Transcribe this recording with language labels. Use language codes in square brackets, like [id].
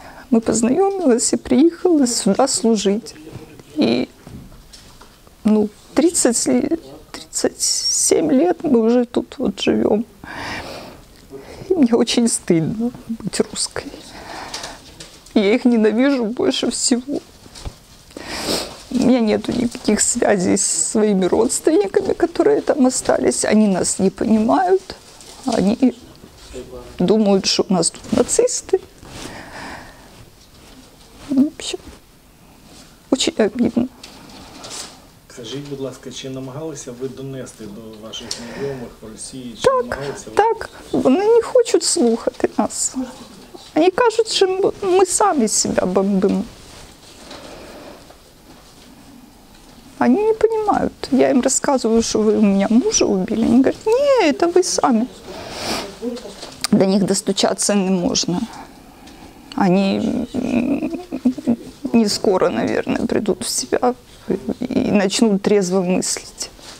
[uk] Ми познайомилися, приїхали сюди служити. І 37 років ми вже тут живемо. І мені дуже стидно бути русською. Я їх ненавижу більше всього. [ru] У меня нету никаких связей со своими родственниками, которые там остались. Они нас не понимают. Они думают, что у нас тут нацисты. В общем, очень обидно. [uk] Скажите, будь ласка, чи намагалися ви донести до ваших знайомих в Росії? Так, так. Вони не хочуть слухати нас. Они кажуть, що ми самі себе бомбимо. [ru] Они не понимают. Я им рассказываю, что вы у меня мужа убили. Они говорят, не, это вы сами. До них достучаться не можно. Они не скоро, наверное, придут в себя и начнут трезво мыслить.